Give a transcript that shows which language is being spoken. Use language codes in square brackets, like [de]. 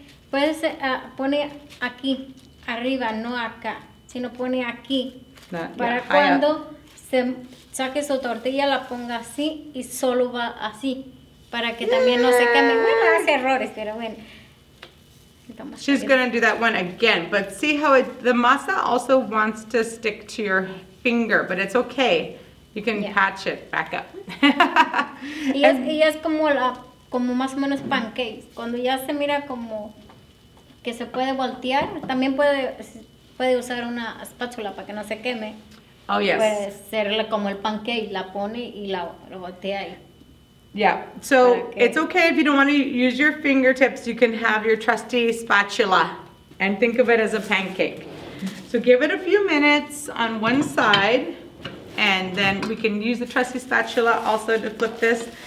[es] Puede ser, pone aquí, arriba, no acá, sino pone aquí. Para cuando se saque su tortilla, la ponga así y solo va así. Para que también no se queme. Bueno, hace errores, pero bueno. [en] She's going to do that one again, but see how it, the masa also wants to stick to your finger, but it's okay. You can patch it back up. [es] y es como la, como más o menos pancakes. Cuando ya se mira como que se puede voltear, también puede usar una espátula para que no se queme. [en] Oh, yes. [es] Puede ser como el pancake, la pone y la lo voltea ahí. [en] Yeah, so it's okay if you don't want to use your fingertips, you can have your trusty spatula and think of it as a pancake. So give it a few minutes on one side and then we can use the trusty spatula also to flip this.